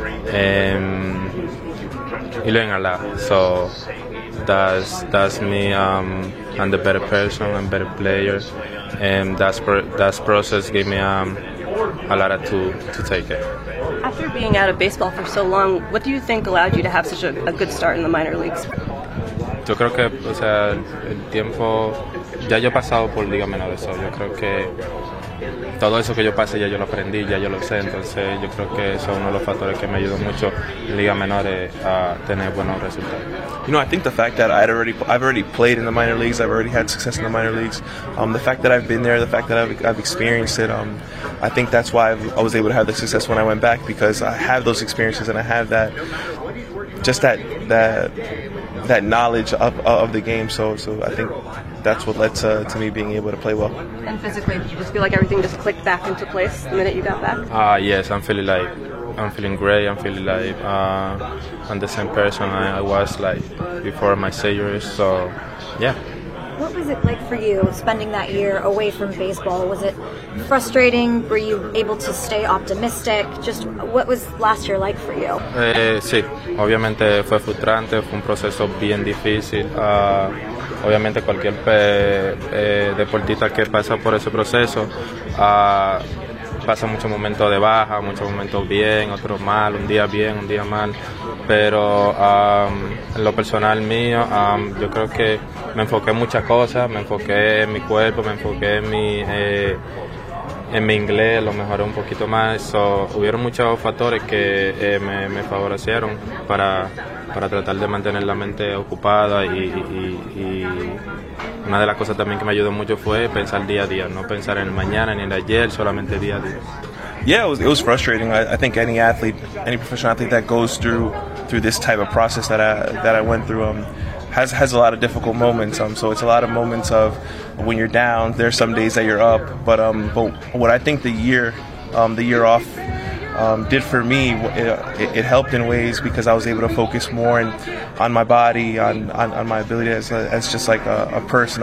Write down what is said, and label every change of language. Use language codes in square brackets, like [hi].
[en] And you learn a lot, so that's me. I'm the better person, I'm better player, and that process gave me a lot of to take it. After being out of baseball for so long, what do you think allowed you to have such a good start in the minor leagues? [es] Yo creo que, o sea, el tiempo ya yo he pasado por liga menor, eso. Yo creo que todo eso que yo pasé ya yo lo aprendí, ya yo lo sé, entonces yo creo que eso es uno de los factores que me ayudó mucho en liga menor a tener buenos resultados. [en] You know, I think the fact that I've already played in the minor leagues, I've already had success in the minor leagues, the fact that I've been there, the fact that I've experienced it, I think that's why I was able to have the success when I went back, because I have those experiences and I have that, just that knowledge of the game, so I think that's what led to me being able to play well. And physically, did you just feel like everything just clicked back into place the minute you got back? Yes, I'm feeling great. I'm feeling like I'm the same person I was like before my surgery, so yeah. What was it like for you spending that year away from baseball? Was it frustrating? Were you able to stay optimistic? Just what was last year like for you? [es] Sí, obviamente fue frustrante, fue un proceso bien difícil. Obviamente cualquier deportista que pasa por ese proceso pasa muchos momentos de baja, muchos momentos bien, otros mal, un día bien, un día mal. Pero en lo personal mío, yo creo que me enfoqué en muchas cosas, me enfoqué en mi cuerpo, me enfoqué en mi inglés, lo mejoré un poquito más. So, hubieron muchos factores que me favorecieron para tratar de mantener la mente ocupada y una de las cosas también que me ayudó mucho fue pensar día a día, no pensar en el mañana ni en el ayer, solamente día a día. [en] Yeah, it was frustrating. I think any professional athlete that goes through this type of process that I went through has a lot of difficult moments. So it's a lot of moments of when you're down, there's some days that you're up, but what I think the year off did for me, it helped in ways because I was able to focus more on my body, on my ability as just like a person.